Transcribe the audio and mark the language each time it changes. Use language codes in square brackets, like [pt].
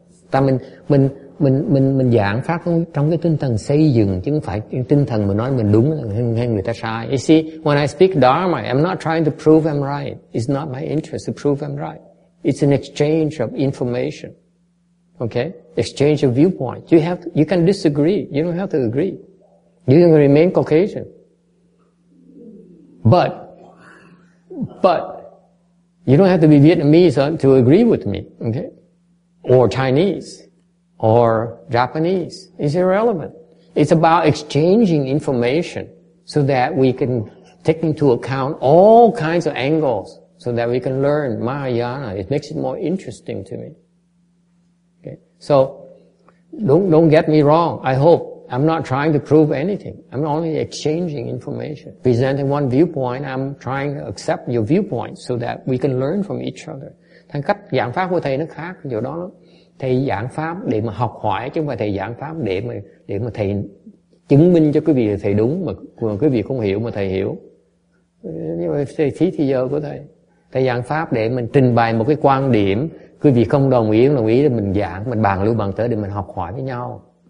[vi] Ta mình giảng pháp trong cái tinh thần xây dựng, chứ không phải tinh thần mà nói mình đúng hay người ta sai. [en] You see, when I speak Dharma, I'm not trying to prove I'm right. It's not my interest to prove I'm right. It's an exchange of information. Okay? Exchange of viewpoint. You can disagree. You don't have to agree. You can remain Caucasian. But, you don't have to be Vietnamese to agree with me, okay? Or Chinese, or Japanese. It's irrelevant. It's about exchanging information so that we can take into account all kinds of angles so that we can learn Mahayana. It makes it more interesting to me. Okay? So, don't get me wrong. I hope. I'm not trying to prove anything. I'm only exchanging information. Presenting one viewpoint, I'm trying to accept your viewpoint so that we can learn from each other. [vi] Thành cách giảng pháp của thầy nó khác chỗ đó. Thầy giảng pháp để mà học hỏi, chứ không phải thầy giảng pháp để mà thầy chứng minh cho quý vị là thầy đúng, mà quý vị không hiểu mà thầy hiểu. Nhưng mà thầy phí thời giờ của thầy. Thầy giảng pháp để mình trình bày một cái quan điểm, quý vị không đồng ý, đồng ý thì mình giảng, mình bàn lưu bàn tới để mình học hỏi với nhau.